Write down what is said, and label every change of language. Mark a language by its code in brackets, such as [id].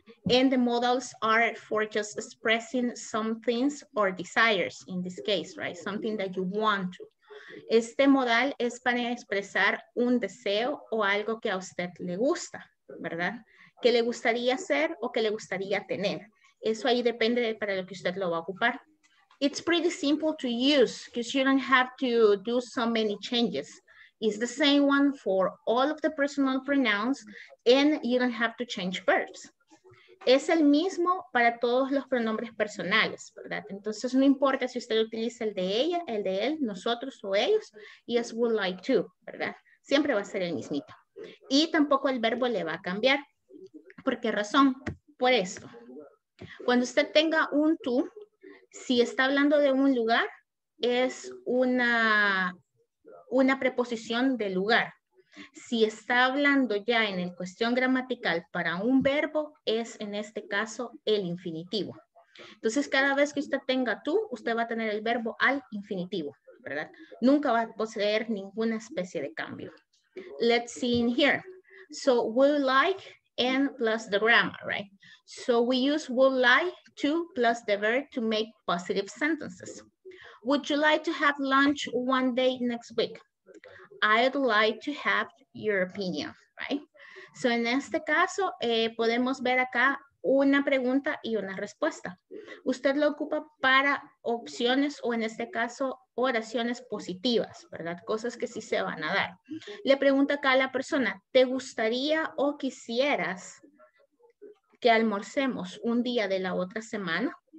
[en] And the modals are for just expressing some things or desires, in this case, right? Something that you want to. [es] Este modal es para expresar un deseo o algo que a usted le gusta, ¿verdad? ¿Qué le gustaría hacer o qué le gustaría tener? Eso ahí depende de para lo que usted lo va a ocupar. [en] It's pretty simple to use because you don't have to do so many changes. It's the same one for all of the personal pronouns and you don't have to change verbs. [es] Es el mismo para todos los pronombres personales, ¿verdad? Entonces, no importa si usted utiliza el de ella, el de él, nosotros o ellos, y es [en] would like to, [es] ¿verdad? Siempre va a ser el mismito. Y tampoco el verbo le va a cambiar. ¿Por qué razón? Por esto. Cuando usted tenga un to, si está hablando de un lugar, es una preposición de lugar. Si está hablando ya en el cuestión gramatical para un verbo, es en este caso el infinitivo. Entonces, cada vez que usted tenga tú, usted va a tener el verbo al infinitivo, ¿verdad? Nunca va a poseer ninguna especie de cambio. [en] Let's see in here. So, would like and plus the grammar, right? So, we use would like to plus the verb to make positive sentences. Would you like to have lunch one day next week? I'd like to have your opinion, right? [es] So en este caso, podemos ver acá una pregunta y una respuesta. Usted lo ocupa para opciones o en este caso oraciones positivas, ¿verdad? Cosas que sí se van a dar. Le pregunta acá a la persona, ¿te gustaría o quisieras que almorcemos un día de la otra semana?